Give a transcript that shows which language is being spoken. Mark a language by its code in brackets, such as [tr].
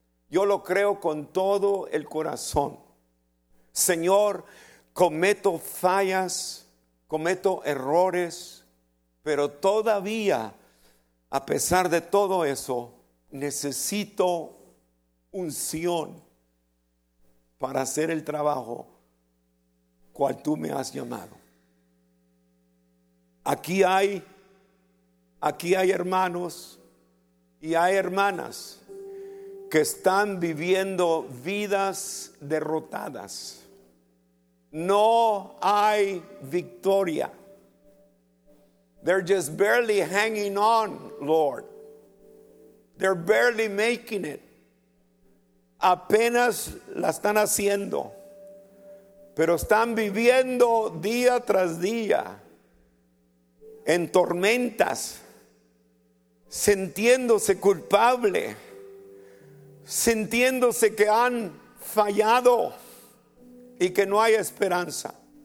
[es] Yo lo creo con todo el corazón. Señor, cometo fallas, cometo errores, pero todavía, a pesar de todo eso, necesito unción para hacer el trabajo cual tú me has llamado. Aquí hay hermanos y hay hermanas que están viviendo vidas derrotadas. No hay victoria. [en] They're just barely hanging on, Lord. They're barely making it. [es] Apenas la están haciendo, pero están viviendo día tras día en tormentas, sintiéndose culpable, sintiéndose que han fallado y que no hay esperanza.